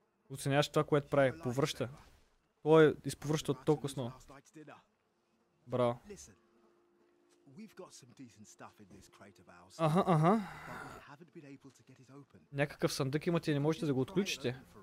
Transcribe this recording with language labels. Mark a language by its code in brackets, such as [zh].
[bg] Оценяваш това, което прави. Повръща. Той изповръща от толкова сно. Браво. [en] We've got some decent stuff in this crate of ours. Аха, аха. But been able to get it open. [bg] Някакъв съндък имате и не можете да го отключите.